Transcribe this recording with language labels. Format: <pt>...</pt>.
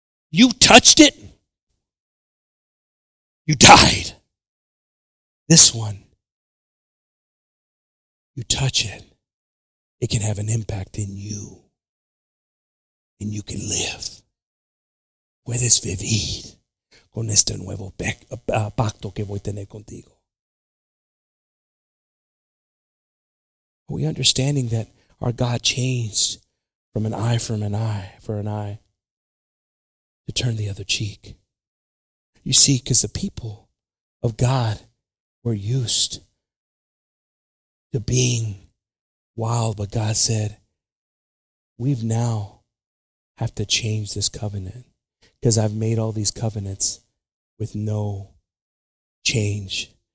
<en>You touched it. You died. This one, you touch it, it can have an impact in you. And you can live.</en> <es>Puedes vivir con este nuevo pacto que voy a tener contigo.</es> <en>Are we understanding that our God changed from an eye for an eye for an eye to turn the other cheek? You see, because the people of God were used to being wild, but God said, we've now have to change this covenant, because I've made all these covenants with no change.</en>